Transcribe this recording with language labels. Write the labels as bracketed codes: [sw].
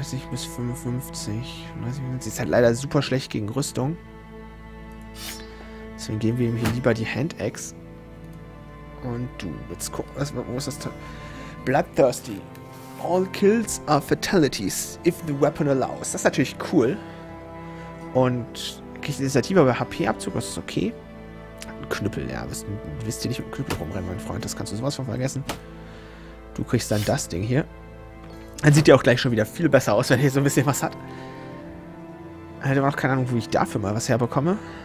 [de] Bis 55. Ist halt leider super schlecht gegen Rüstung. Deswegen geben wir ihm hier lieber die Hand Axe. Und du, jetzt guck, wo ist das? [en] Bloodthirsty. All kills are fatalities, if the weapon allows. [de] Das ist natürlich cool. Und kriegst Initiative, aber HP-Abzug, das ist okay. Ein Knüppel, ja. Wisst ihr nicht, mit dem Knüppel rumrennen, mein Freund? Das kannst du sowas von vergessen. Du kriegst dann das Ding hier. Dann sieht ihr auch gleich schon wieder viel besser aus, wenn ihr so ein bisschen was hat. Ich hätte aber noch keine Ahnung, wo ich dafür mal was herbekomme.